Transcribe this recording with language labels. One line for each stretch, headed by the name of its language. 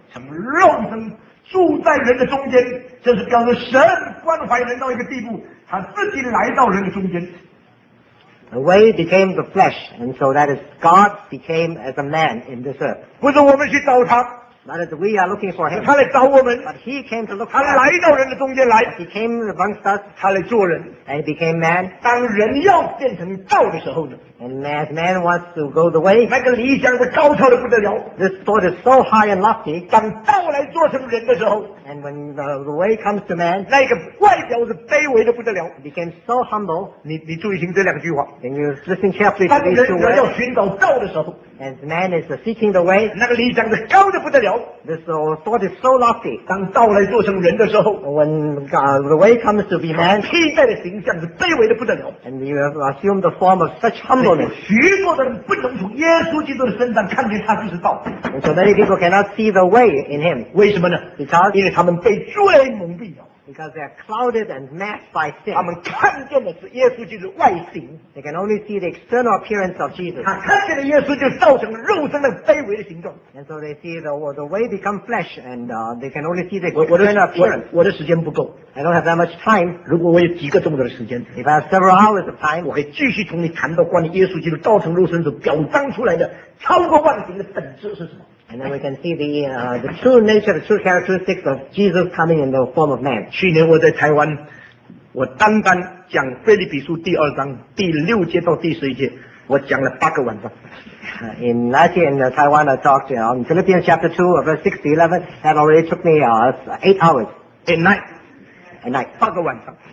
Chinese: 成肉身住在人的中间，这是表示神关怀人到一个地步，他自己来到人的中间。
English: The way became the flesh, and so that is God became as a man in this earth.
Chinese: 不是我们去找他
English: Not as we are looking for him.
Chinese: 他来找我们
English: But he came to look for us.
Chinese: 他来到人的中间来
English: He came amongst us.
Chinese: 他来做人
English: And he became man.
Chinese: 当人要变成道的时候呢
English: And as man wants to go the way.
Chinese: 那个理想的高超的不得了
English: This thought is so high and lofty.
Chinese: 当道来做成人的时候
English: And when the way comes to man.
Chinese: 那个外表是卑微的不得了
English: He became so humble.
Chinese: 你注意听这两句话
English: And you listen carefully to these two words.
Chinese: 当人要寻找道的时候
English: As man is seeking the way.
Chinese: 那个理想的高的不得了
English: This thought is so lofty.
Chinese: 当道来做成人的时候
English: When the way comes to be man.
Chinese: 披戴的形象是卑微的不得了
English: And you have assumed the form of such humbleness.
Chinese: 许多的人不能从耶稣基督的身上看见他就是道
English: And so many people cannot see the way in him.
Chinese: 为什么呢
English: Because
Chinese: 因为他们被罪蒙蔽了
English: Because they are clouded and masked by sin.
Chinese: 他们看见的是耶稣基督外形
English: They can only see the external appearance of Jesus.
Chinese: 他看见的耶稣就造成肉身的卑微的形状
English: And so they see the way become flesh and they can only see the external appearance.
Chinese: 我的时间不够
English: I don't have that much time.
Chinese: 如果我有几个钟头的时间
English: If I have several hours of time,
Chinese: 我会继续同你谈到关于耶稣基督造成肉身所表彰出来的超过万形的本质是什么
English: And then we can see the true nature, the true characteristics of Jesus coming in the form of man.
Chinese: 去年我在台湾，我单单讲腓立比书第二章第六节到第十一节，我讲了八个晚上。
English: In last year in Taiwan, I talked on Philippians chapter 2, verse 6 to 11. That already took me 8 hours. At night.
Chinese: 八个晚上。